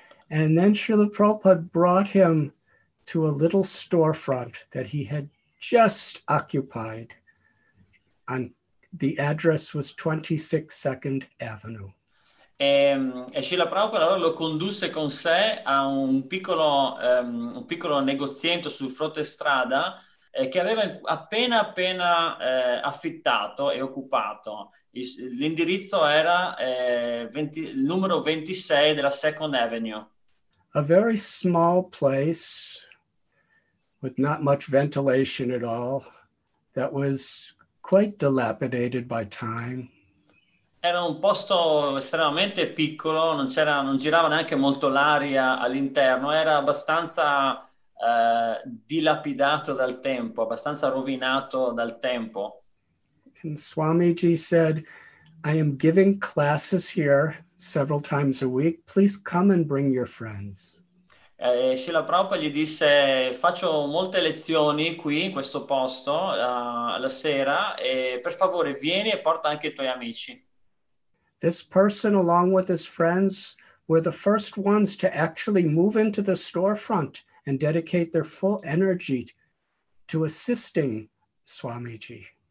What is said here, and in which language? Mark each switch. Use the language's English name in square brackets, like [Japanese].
[English] And then Srila Prabhupada brought him to a little storefront that he had just occupied. And the address was 26 Second Avenue. [Italian] E Srila Prabhupada allora lo condusse con sé a un piccolo negozietto sul fronte strada che aveva appena affittato e occupato. L'indirizzo era il numero 26 della Second Avenue. [English] A very small place with not much ventilation at all, that was quite dilapidated by time. [Italian] Era un posto estremamente piccolo, non girava neanche molto l'aria all'interno, era abbastanza dilapidato dal tempo, abbastanza rovinato dal tempo. [English] And Swamiji said, "I am giving classes here several times a week. Please come and bring your friends." [Italian] Srila Prabhupada gli disse, "Faccio molte lezioni qui in questo posto la sera, e per favore vieni e porta anche i tuoi amici." [English] This person, along with his friends, were the first ones to actually move into the storefront and dedicate their full energy to assisting Swamiji.